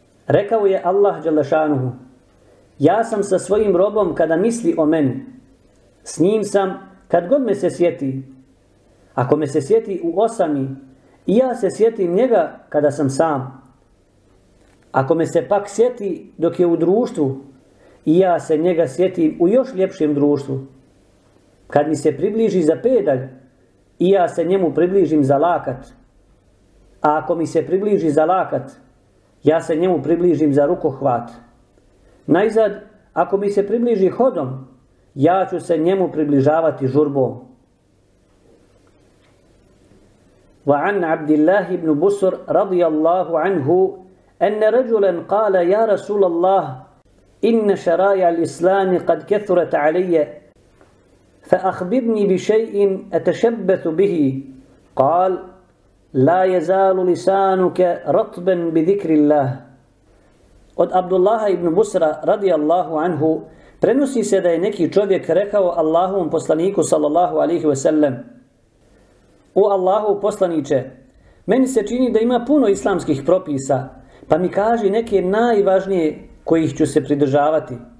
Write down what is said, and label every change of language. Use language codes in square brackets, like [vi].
[bs] ركوا يا الله جل شانه يا سم سسويم ربم كدا مثلي أمن سنيم سم كد قد مسسيتي. Ako me se sjeti u osami, i ja se sjetim njega kada sam sam. Ako me se pak sjeti dok je u društvu, i ja se njega sjetim u još ljepšem društvu. Kad mi se približi za pedalj, i ja se njemu približim za lakat. A ako mi se približi za lakat, ja se njemu približim za rukohvat. Najzad, ako mi se približi hodom, ja ću se njemu približavati žurbom. [ar] وعن عبد الله بن بسر رضي الله عنه أن رجلا قال يا رسول الله إن شرائع الإسلام قد كثرت علي فأخبرني بشيء أتشبث به. قال لا يزال لسانك رطبا بذكر الله. قد عبد الله بن بسر رضي الله عنه [bs] prenosi se da je neki čovjek rekao Allahovom poslaniku sallallahu alejhi ve sellem: O Allahu poslaniče, meni se čini da ima puno islamskih propisa, pa mi kaži neke najvažnije kojih ću se pridržavati.